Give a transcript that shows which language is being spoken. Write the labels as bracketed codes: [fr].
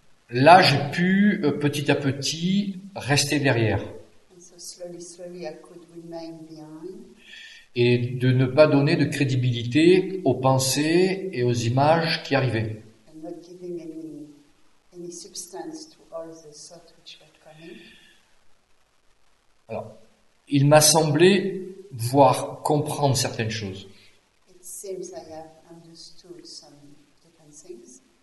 [fr] Là, j'ai pu petit à petit rester derrière. [en] So slowly, slowly, I could remain behind. [fr] Et de ne pas donner de crédibilité aux pensées et aux images qui arrivaient. [en] And not giving any substance to all the thoughts which were coming. [fr] Alors, il m'a semblé voir comprendre certaines choses. [en] It seems I have understood some different things.